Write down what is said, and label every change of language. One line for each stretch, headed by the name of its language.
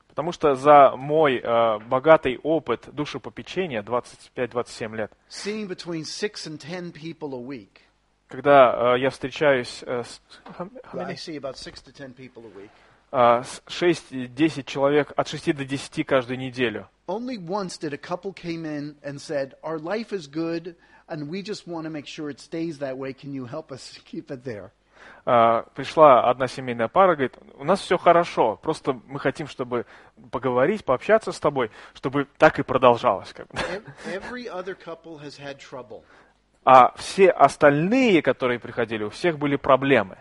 Russian: потому что за мой богатый опыт душепопечения, 25-27 лет,
English: seeing between 6 and 10 people a week,
Russian: когда я встречаюсь
English: I see about 6 to 10 people a week,
Russian: 6-10 человек, от 6 до 10 каждую неделю.
English: Only once did a couple came in and said, our life is good, and we just want to make sure it stays that way. Can you help us keep it there?
Russian: Пришла одна семейная пара, говорит, у нас все хорошо, просто мы хотим, чтобы поговорить, пообщаться с тобой, чтобы так и продолжалось. Как бы.
English: Every other couple has had trouble.
Russian: А все остальные, которые приходили, у всех были проблемы.